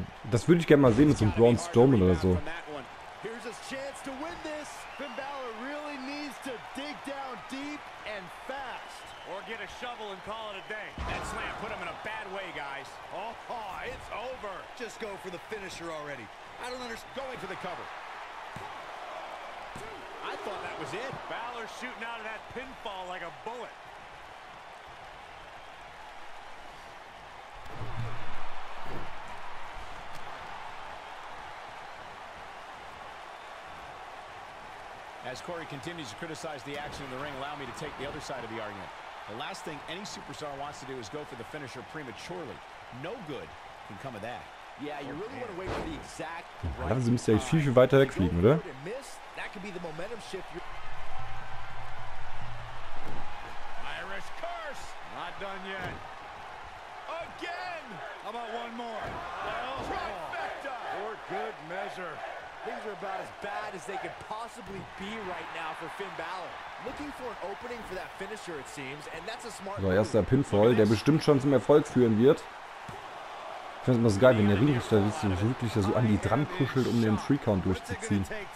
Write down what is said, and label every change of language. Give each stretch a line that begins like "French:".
German: Das würde ich gerne mal sehen mit so einem Braun Strowman oder so.
English: Here's his chance to win this. Finn Balor really needs to dig down deep and fast. Or get a shovel and call it a day. That slam put him in a bad way, guys. Oh, it's over. Just go for the finisher already. I don't understand. Going for the cover. I thought that was it. Balor shooting out of that pinfall like a bullet. As Corey continues to criticize the action in the ring, allow me to take the other side of the argument. The last thing any superstar wants to do is go for the finisher prematurely. No good can come of that. Yeah, you really want to wait for the exact right time.
German: Sie müssen ja viel, viel weiter wegfliegen, oder?
English: That could be the momentum shift. Irish curse! Not done yet. Again! How about one more? Trifecta! For good measure. Things are about as bad as they could possibly be right now for Finn Balor. Looking for an opening for that finisher, it seems, and that's a smart.
German: So, erster Pinfall, der bestimmt schon zum Erfolg führen wird. Ich finde es immer so geil, wenn der Ringrichter wirklich so an die dran kuschelt, um den Three Count durchzuziehen.